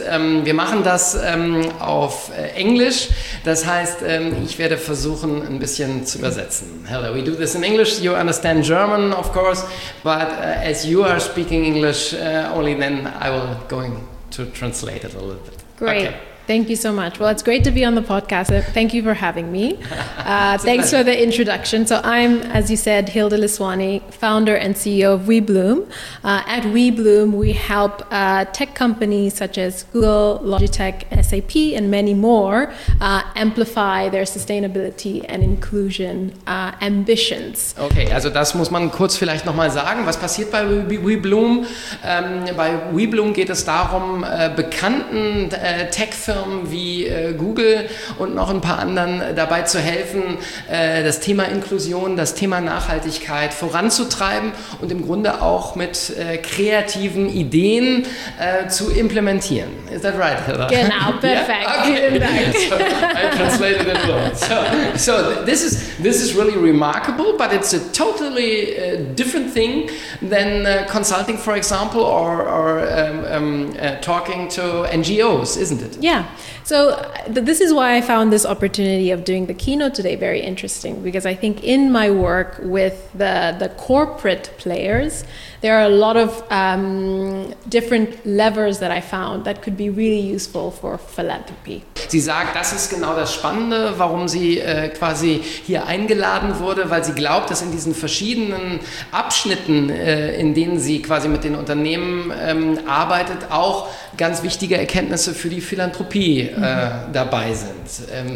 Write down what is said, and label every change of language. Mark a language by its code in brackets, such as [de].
[de] Wir machen das auf Englisch. Das heißt, ich werde versuchen, ein bisschen zu übersetzen. [en] Hilda, we do this in English. You understand German, of course, but as you are speaking English only, then I will going to translate it a little bit. Great. Okay. Thank you so much. Well, it's great to be on the podcast. Thank you for having me. thanks for the introduction. So I'm, as you said, Hilda Liswani, founder and CEO of WeBloom. At WeBloom, we help tech companies such as Google, Logitech, SAP, and many more amplify their sustainability and inclusion ambitions. [de] Okay, also das muss man kurz vielleicht nochmal sagen. Was passiert bei WeBloom? Bei WeBloom geht es darum, bekannten Tech-Firmen wie Google und noch ein paar anderen dabei zu helfen, das Thema Inklusion, das Thema Nachhaltigkeit voranzutreiben und im Grunde auch mit kreativen Ideen zu implementieren. [en] Is that right, Hilda? [de] Genau, perfekt. [en] Yeah? Okay. [de] Vielen Dank. [en] So, I translated it well. So this is really remarkable, but it's a totally different thing than consulting, for example, or talking to NGOs, isn't it? Yeah. So this is why I found this opportunity of doing the keynote today very interesting, because I think in my work with the corporate players, there are a lot of different levers that I found that could be really useful for philanthropy. [de] Sie sagt, das ist genau das Spannende, warum sie quasi hier eingeladen wurde, weil sie glaubt, dass in diesen verschiedenen Abschnitten, in denen sie quasi mit den Unternehmen arbeitet, auch ganz wichtige Erkenntnisse für die Philanthropie dabei sind.